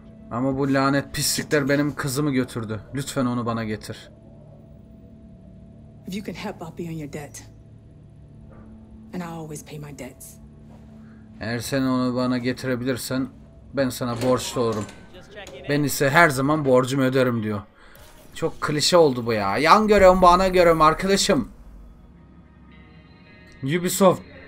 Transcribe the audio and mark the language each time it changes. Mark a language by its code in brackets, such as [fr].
[tr] Ama bu lanet pislikler benim kızımı götürdü. Lütfen onu bana getir. [en] If you can help, I'll be on your debt. And I always pay my debts. [tr] Eğer sen onu bana getirebilirsen, ben sana borçlu olurum. Ben ise her zaman borcumu öderim diyor. Çok klişe oldu bu ya. Yan görevim bana görevim arkadaşım. Ubisoft.